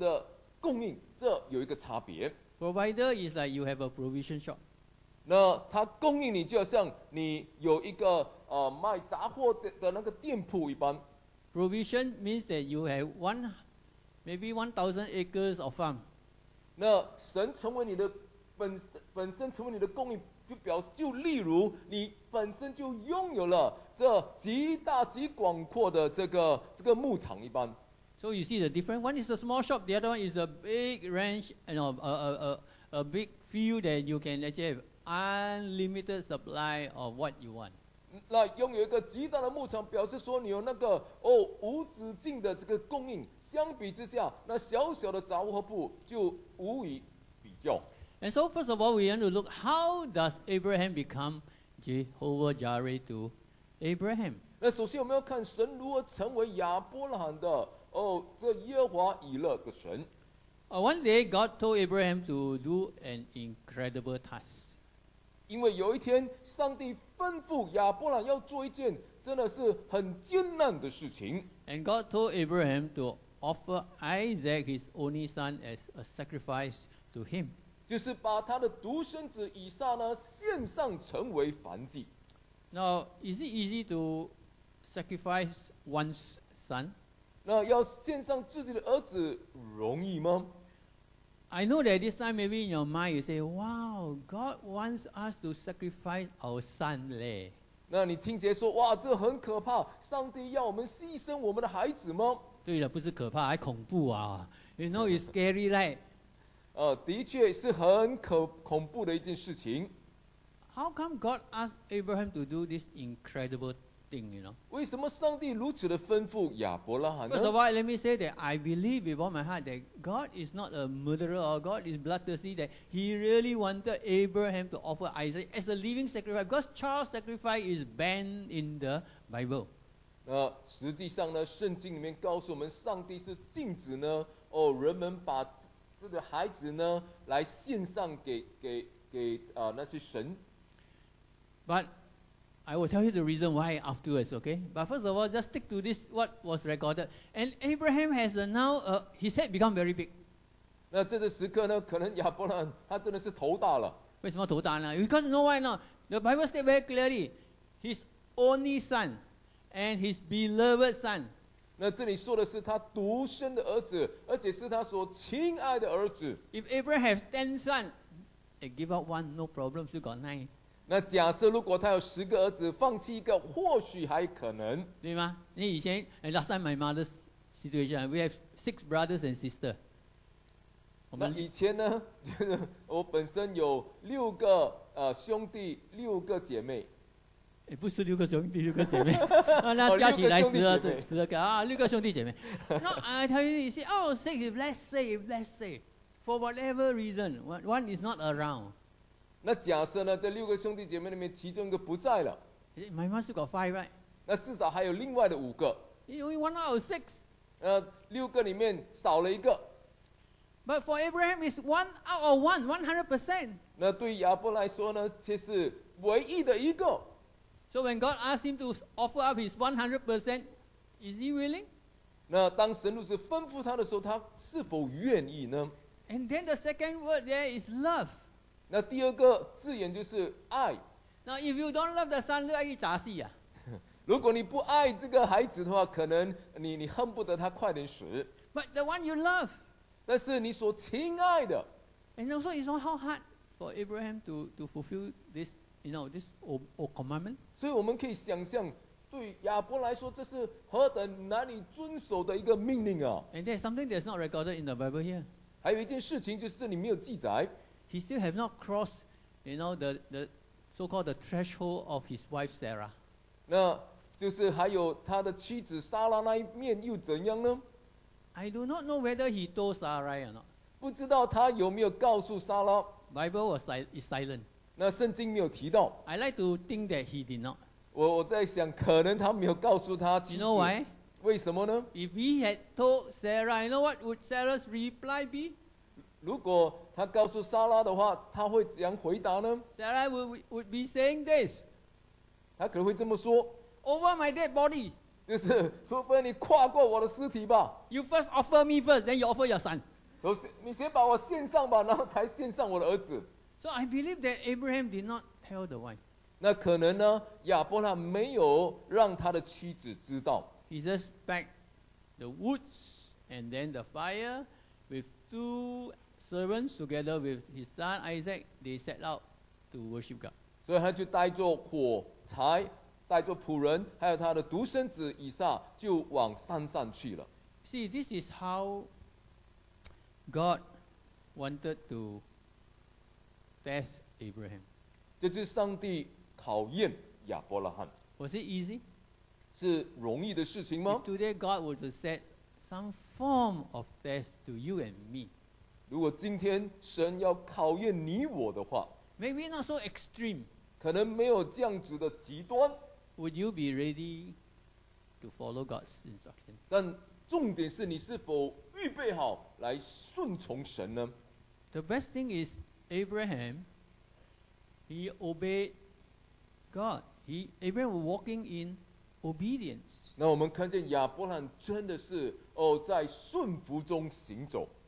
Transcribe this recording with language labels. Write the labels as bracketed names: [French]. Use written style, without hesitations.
[Chinese] 那他供应我们的需要跟他本身成为我们的供应，这有一个差别。 [English] Provider is like you have a provision shop. [Chinese] 那他供应你就像你有一个卖杂货的那个店铺一般。 [English] Provision means that you have maybe 1,000 acres of farm. [Chinese] 那神成为你的本身成为你的供应。就表示，就例如你本身就拥有了这极大极广阔的这个牧场一般。 [English] So you see the difference. One is a small shop, the other one is a big ranch, you know, a big field that you can actually have unlimited supply of what you want. [Chinese] 那拥有一个极大的牧场，表示说你有那个无止境的这个供应。相比之下，那小小的杂货铺就无以比较。 [English] And so, first of all, we want to look how does Abraham become Jehovah Jireh to Abraham. [Chinese] 那首先我们要看神如何成为亚伯拉罕的哦，这耶华以勒的神。 [English] One day God told Abraham to do an incredible task. [Chinese] 因为有一天上帝吩咐亚伯拉罕要做一件真的是很艰难的事情。 [English] And God told Abraham to offer Isaac his only son as a sacrifice to him. [Chinese] 就是把他的独生子以撒呢献上成为燔祭。 [English] Now, is it easy to sacrifice one's son? [Chinese] 那要献上自己的儿子容易吗？ [English] I know that this time maybe in your mind you say, wow, God wants us to sacrifice our son. [Chinese] 那你听见说，哇，这很可怕，上帝要我们牺牲我们的孩子吗？对了，不是可怕，还恐怖啊。 [English] You know, it's scary, like. [Chinese] 的确是很恐怖的一件事情。 [English] How come God asked Abraham to do this incredible thing, you know? [Chinese] 为什么上帝如此的吩咐亚伯拉罕呢？ [English] First of all, let me say that I believe with all my heart that God is not a murderer or God is bloodthirsty, that he really wanted Abraham to offer Isaac as a living sacrifice, because child sacrifice is banned in the Bible. [Chinese] 那实际上呢，圣经里面告诉我们，上帝是禁止呢，哦，人们把这个孩子呢来献上给那些神。 [English] But I will tell you the reason why afterwards, okay? But first of all, just stick to this, what was recorded. And Abraham has now, his head become very big. [Chinese] 那这个时刻呢，可能亚伯拉罕他真的是头大了。为什么头大呢？ [English] Because you know why not? The Bible states very clearly, his only son and his beloved son. [Chinese] 那这里说的是他独生的儿子，而且是他所亲爱的儿子。 [English] If Abraham has 10 sons, they give up one, no problem, still got 9. [Chinese] 那假设如果他有十个儿子，放弃一个或许还可能，对吗？你以前 [English] last time my mother's situation, we have 6 brothers and sisters. [Chinese] 那以前呢，我本身有六个兄弟，六个姐妹。欸，不是六个兄弟，六个姐妹，那加起来十二个啊，六个兄弟姐妹。 [English] 那I tell you, you see, oh, let's say, for whatever reason, one is not around. [Chinese] 那假设呢，这六个兄弟姐妹里面，其中一个不在了。 [English] My mom still got 5, right? [Chinese] 那至少还有另外的五个。 [English] Only 1 out of 6. [Chinese] 六个里面少了一个。 [English] But for Abraham, it's 1 out of 1, 100%. [Chinese] 那对亚伯来说呢，却是唯一的一个。 [English] So when God asked him to offer up his 100%, is he willing? [Chinese] 那当神如此吩咐他的时候，他是否愿意呢？ [English] And then the second word there is love. [Chinese] 那第二个字眼就是爱。 [English] Now if you don't love the son, [Chinese] 乐意砸戏啊。如果你不爱这个孩子的话，可能你恨不得他快点死。 [English] But the one you love. [Chinese] 那是你所亲爱的。 [English] And also, it's not how hard for Abraham to fulfill this, you know, this old commandment. [Chinese] 所以我们可以想象，对亚伯来说，这是何等难以遵守的一个命令啊。 [English] And there's something that's not recorded in the Bible here. [Chinese] 还有一件事情就是你没有记载。 [English] He still have not crossed, you know, the so-called the threshold of his wife Sarah. [Chinese] 那就是还有他的妻子撒拉那一面又怎样呢？ [English] I do not know whether he told Sarah or not. [Chinese] 不知道他有没有告诉撒拉。 [English] Bible was silent. [Chinese] 那圣经没有提到。 [English] I like to think that he did not. [Chinese] 我在想，可能他没有告诉他妻子。 [English] You know why? [Chinese] 为什么呢？ [English] If he had told Sarah, you know what would Sarah's reply be? [Chinese] 如果他告诉莎拉的话，他会怎样回答呢？ [English] Sarah would be saying this. [Chinese] 他可能会这么说。 [English] Over my dead body. [Chinese] 就是除非你跨过我的尸体吧。 [English] You first offer me first, then you offer your son. [Chinese] 你先把我献上吧，然后才献上我的儿子。 [English] So I believe that Abraham did not tell the wife. [Chinese] 那可能呢，亚伯拉没有让他的妻子知道。 [English] He just packed the woods and then the fire with two servants together with his son Isaac, they set out to worship God. [Chinese] 所以他就带着火柴，带着仆人，还有他的独生子以撒，就往山上去了。 [English] See, this is how God wanted to test Abraham. [Chinese] 这就是上帝考验亚伯拉罕。 [English] Was it easy? [Chinese] 是容易的事情吗？ [English] If today God were to set some form of test to you and me. [Chinese] 如果今天神要考验你我的话， [English] maybe not so extreme， [Chinese] 可能没有这样子的极端。 [English] Would you be ready to follow God's instruction? [Chinese] 但重点是你是否预备好来顺从神呢？ [English] The best thing is Abraham, he obeyed God. Abraham was walking in obedience. [Chinese] 那我们看见亚伯兰真的是哦在顺服中行走。